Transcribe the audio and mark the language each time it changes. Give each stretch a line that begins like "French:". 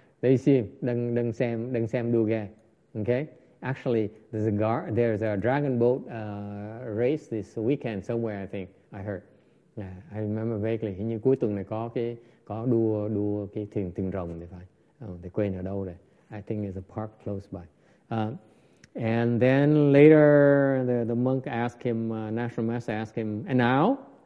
Vietnamese: Tây Xuyên đang xem đua ghe.
English: Okay? Actually, there's a dragon boat race this weekend somewhere, I think. I heard. Yeah, I remember vaguely.
Vietnamese: Hình như cuối tuần này có đua cái thuyền rồng thì phải.
English: Oh, they
Vietnamese: quên ở đâu rồi.
English: I think it's a park close by. And then later, the monk asked him, national master asked him, and now?